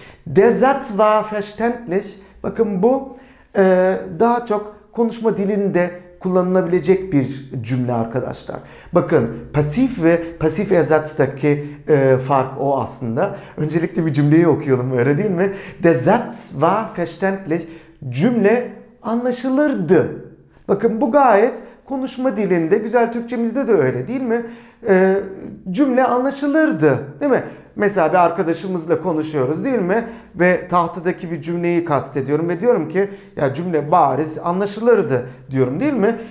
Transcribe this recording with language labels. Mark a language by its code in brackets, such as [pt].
[de] Desatz war verständlich [tr] bakın bu daha çok konuşma dilinde kullanılabilecek bir cümle arkadaşlar. Bakın pasif ve pasif ersatz'taki fark o aslında. Öncelikle bir cümleyi okuyalım öyle değil mi? [de] Der Satz war verständlich. [tr] Cümle anlaşılırdı. Bakın bu gayet konuşma dilinde, güzel Türkçemizde de öyle değil mi? Cümle anlaşılırdı değil mi? Mesela bir arkadaşımızla konuşuyoruz değil mi? Ve tahtadaki bir cümleyi kastediyorum ve diyorum ki ya cümle bariz anlaşılırdı diyorum değil mi?